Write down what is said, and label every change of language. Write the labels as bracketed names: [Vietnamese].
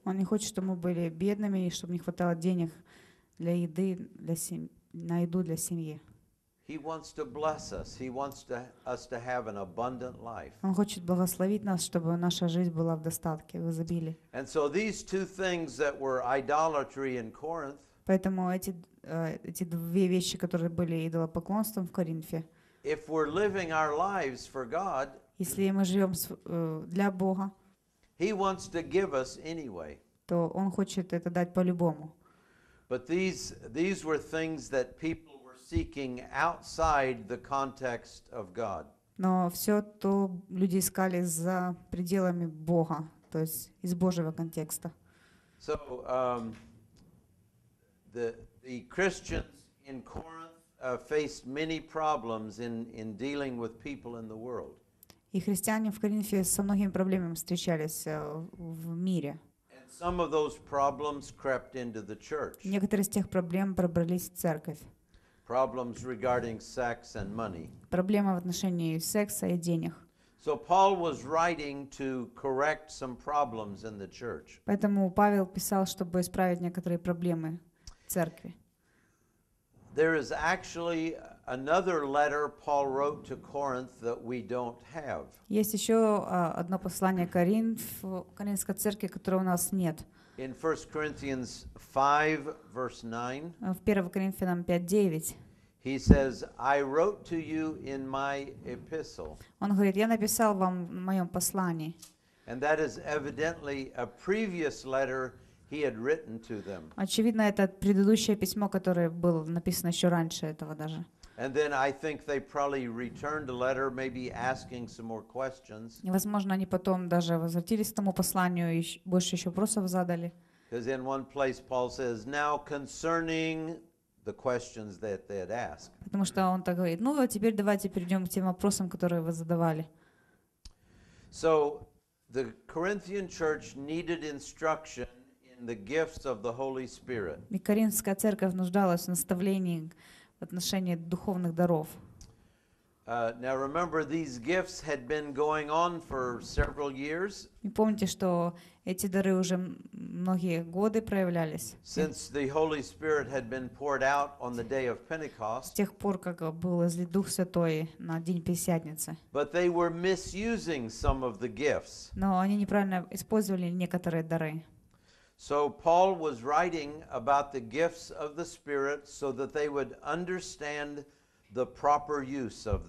[Russian] Он не хочет, чтобы мы были бедными и чтобы не хватало денег для еды, на еду для семьи. [English] He wants to bless us. He wants us to have an abundant life. [Russian] Он хочет благословить нас, чтобы наша жизнь была в достатке, в изобилии. [English] And so these two things that were idolatry in Corinth. [Russian] Поэтому эти эти две вещи, которые были идолопоклонством в Коринфе. [English] If we're living our lives for God, [Russian] если мы живем для Бога, [English] He wants to give us anyway. [Russian] То Он хочет это дать по-любому. [English] But these were things that people were seeking outside the context of God. [Russian] Но все то люди искали за пределами Бога, то есть из Божьего контекста. [English] So the Christians in Corinth faced many problems in dealing with people in the world. [Russian] И христиане в Коринфе со многими проблемами встречались в мире. [English] And some of those problems crept into the church. [Russian] Некоторые из тех проблем пробрались в церковь. [English] Problems regarding sex and money. [Russian] Проблемы в отношении секса и денег. [English] So Paul was writing to correct some problems in the church. [Russian] Поэтому Павел писал, чтобы исправить некоторые проблемы в церкви. [English] There is actually another letter Paul wrote to Corinth that we don't have. [Russian] Есть еще одно послание Коринфской церкви, которого у нас нет. [English] In 1 Corinthians 5, verse 9. [Russian] В 1 Коринфянам 5:9. [English] He says, "I wrote to you in my epistle." [Russian] Он говорит, я написал вам в моем послании. [English] And that is evidently a previous letter he had written to them. [Russian] Очевидно, это предыдущее письмо, которое было написано еще раньше этого даже. [English] And then I think they probably returned a letter, maybe asking some more questions. [Russian] Возможно, они потом даже возвратились к тому посланию и больше еще вопросов задали. [English] Because in one place Paul says, "Now concerning the questions that they had asked." [Russian] Потому что он так говорит: "Ну, а теперь давайте перейдем к тем вопросам, которые вы задавали." [English] So the Corinthian church needed instruction in the gifts of the Holy Spirit. [Russian] И Коринфская церковь нуждалась в наставлении отношении духовных даров. [English] Now remember, these gifts had been going on for several years. [Russian] И помните, что эти дары уже многие годы проявлялись. [English] Since the Holy Spirit had been poured out on the day of Pentecost. [Russian] С тех пор, как был излит Дух Святой на день Пятидесятницы. [English] But they were misusing some of the gifts. [Russian] Но они неправильно использовали некоторые дары. [English] So Paul was writing about the gifts of the Spirit so that they would understand the proper use of them.